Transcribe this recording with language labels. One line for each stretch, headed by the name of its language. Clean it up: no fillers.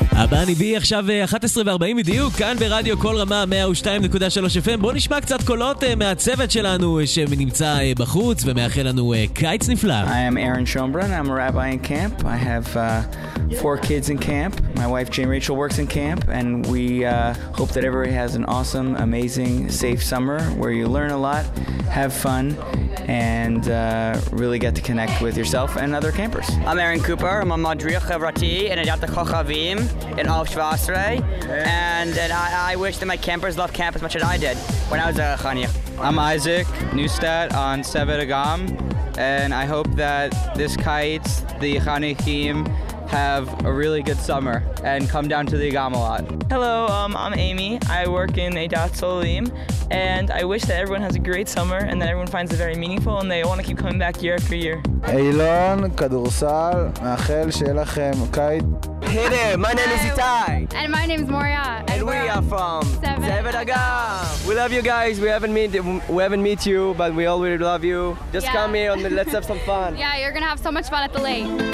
Hebrew: בני בי עכשיו 11:40 בדיוק, כאן ברדיו כל רמה 102.3 FM. בוא נשמע קצת קולות מהצוות שלנו שנמצא בחוץ ומאחל לנו קיץ נפלא.
English: I am Aaron Schombrun, I'm a rabbi in camp. I have four kids in camp. My wife Jane Rachel works in camp and we hope that everybody has an awesome, amazing, safe summer where you learn a lot, have fun and really get to connect with yourself and other campers. I'm Aaron Cooper, I'm a madriach chevrati in Adat HaKochavim in Av Shvasre, and I wish that my campers love camp as much as I did when I was a chaniach. I'm Isaac Neustadt on Sevet Agam, and I hope that this kites, the chanichim, have a really good summer and come down to the Agam a lot. Hello, I'm Amy. I work in Adat Solim, and I wish that everyone has a great summer and that everyone finds it very meaningful and they want to keep coming back year after year.
Hebrew: Eilon Kadursal, מאחל שיהיה לכם קיץ.
English: Hey there, my name is Itai. And my name is Moria. And we are from Sevet Agam. We love you guys. We haven't met you, but we all really love you. Just yeah. Come here and let's have some fun. Yeah, you're going to have so much fun at the lake.